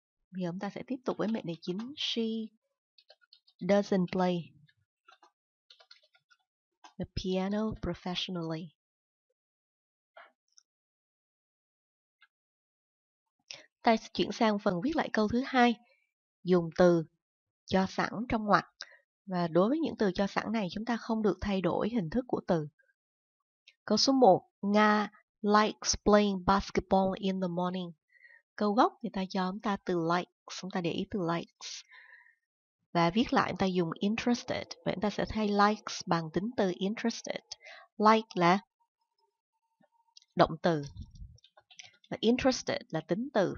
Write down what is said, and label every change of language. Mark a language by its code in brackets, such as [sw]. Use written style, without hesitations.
[vi] Bây giờ chúng ta sẽ tiếp tục với mệnh đề chính. [en] She doesn't play the piano professionally. [vi] Ta chuyển sang phần viết lại câu thứ hai, dùng từ cho sẵn trong ngoặc. Và đối với những từ cho sẵn này, chúng ta không được thay đổi hình thức của từ. Câu số 1, [en] Nga likes playing basketball in the morning. [vi] Câu gốc người ta cho chúng ta từ likes, chúng ta để ý từ likes. Và viết lại chúng ta dùng interested. Vậy chúng ta sẽ thay likes bằng tính từ interested. Like là động từ. Và interested là tính từ.